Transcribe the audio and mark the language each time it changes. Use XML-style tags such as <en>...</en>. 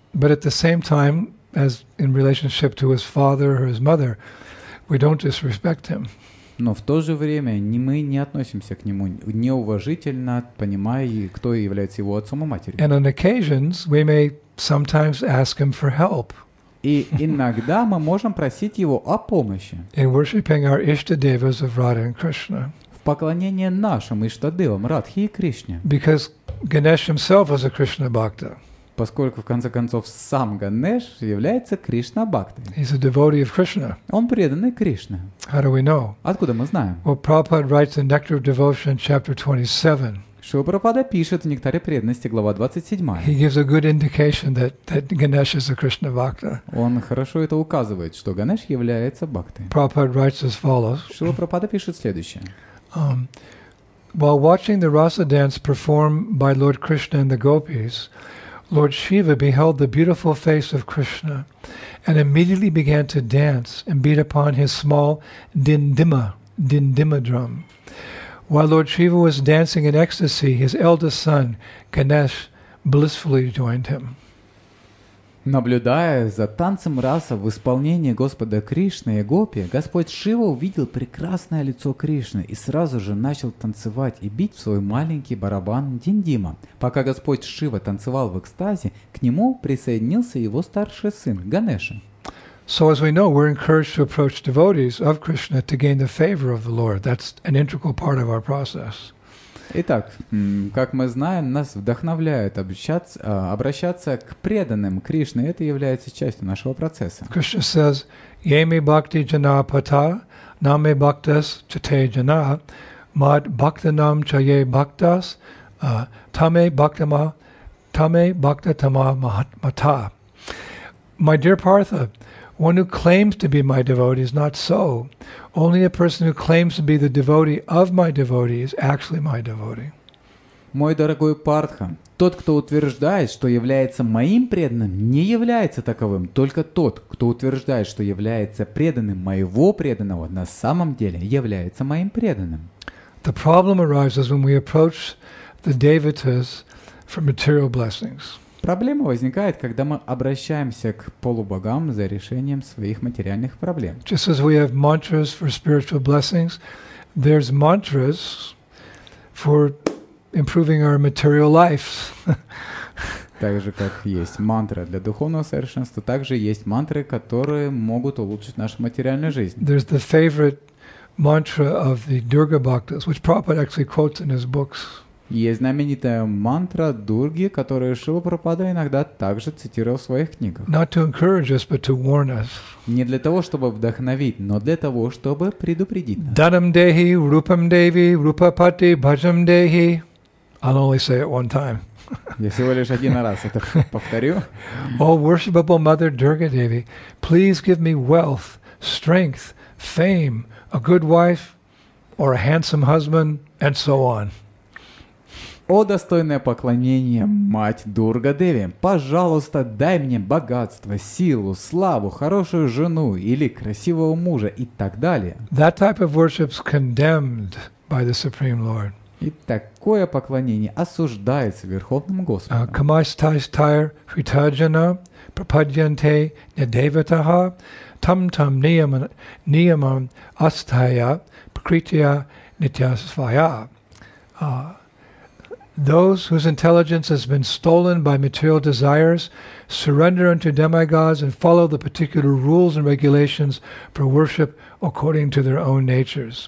<en>But at the same time, as in relationship to his father or his mother, we don't disrespect him.</en> <ru>Но в то же время мы не относимся к нему неуважительно, понимая, кто является его отцом и матерью.</ru> <en>And on occasions we may sometimes ask him for help.</en> <ru>И иногда мы можем просить его о помощи.</ru> <en>In worshiping our Ishtadevas of Radha and Krishna.</en> <ru>В поклонении нашим Иштадевам, Радхе и Кришне.</ru> <en>Because Ganesh himself is a Krishna Bhakta.</en> <ru>Поскольку, в конце концов, сам Ганеш является Кришна-бхактой.</ru> <en>He's a devotee of Krishna.</en> <ru>Он преданный Кришне.</ru> <en>How do we know?</en> <ru>Откуда мы знаем?</ru> <en>Well, Prabhupada writes in Nectar of Devotion, chapter 27.</en> <ru>Шрила Прабхупада пишет в «Нектаре преданности», глава 27.</ru> <en>He gives a good indication that Ganesh is a Krishna bhakta.</en> <ru>Он хорошо это указывает, что Ганеш является бхактой.</ru> <en>Prabhupada writes as follows.</en> <ru>Шрила Прабхупада пишет следующее.</ru> <en>While watching the rasa dance performed by Lord Krishna and the gopis, Lord Shiva beheld the beautiful face of Krishna and immediately began to dance and beat upon his small dindima drum. While Lord Shiva was dancing in ecstasy, his eldest son, Ganesh, blissfully joined him.</en> <ru>Наблюдая за танцем раса в исполнении Господа Кришны и гопи, Господь Шива увидел прекрасное лицо Кришны и сразу же начал танцевать и бить в свой маленький барабан диндима. Пока Господь Шива танцевал в экстазе, к нему присоединился его старший сын Ганеша.</ru> <en>So as we know, we're encouraged to approach devotees of Krishna to gain the favor of the Lord. That's an integral part of our process.</en> <ru>Итак, как мы знаем, нас вдохновляет обращаться к преданным Кришне. Это является частью нашего процесса.</ru> <en>Krishna says,</en> <sa>Yemi bhakti jana pata, name bhaktas chate jana, mad bhaktanam chaye bhaktas, tame bhaktatama mahatmata.</sa> <en>My dear Partha, one who claims to be my devotee is not so. Only a person who claims to be the devotee of my devotee is actually my devotee.</en> <ru>Мой дорогой Партха, тот, кто утверждает, что является моим преданным, не является таковым. Только тот, кто утверждает, что является преданным моего преданного, на самом деле является моим преданным.</ru> <en>The problem arises when we approach the devotees for material blessings.</en> <ru>Проблема возникает, когда мы обращаемся к полубогам за решением своих материальных проблем.</ru> <en>Just as we have mantras for spiritual blessings, there's mantras for improving our material lives.</en> <ru>Так же, как есть мантра для духовного совершенства, также есть мантры, которые могут улучшить нашу материальную жизнь.</ru> <en>There's the favorite mantra of the Durga Bhaktas, which Prabhupada actually quotes in his books.</en> <ru>Есть знаменитая мантра Дурги, которую Шрила Прабхупада иногда также цитировал в своих книгах.</ru> <en>Not to encourage us, but to warn us.</en> <ru>Не для того, чтобы вдохновить, но для того, чтобы предупредить нас.</ru> <sa>Данам дехи, рупам деви, рупапати, бхаджам дехи.</sa> <en>I'll only say it one time.</en> <ru>Я всего лишь один раз это повторю.</ru> <en>О, worshipable Mother Durga Devi, please give me wealth, strength, fame, a good wife, or a handsome husband, and so on.</en> <ru>О, достойное поклонение, мать Дурга Деви, пожалуйста, дай мне богатство, силу, славу, хорошую жену или красивого мужа и так далее.</ru> <en>That type of worship's condemned by the Supreme Lord.</en> <ru>И такое поклонение осуждается Верховным Господом.</ru> <sa>Камаштайстайр хритаджана прападьянте недеватаха тамтам ниямам астхая пракритья нитясвая.</sa> <en>Those whose intelligence has been stolen by material desires surrender unto demigods and follow the particular rules and regulations for worship according to their own natures.</en>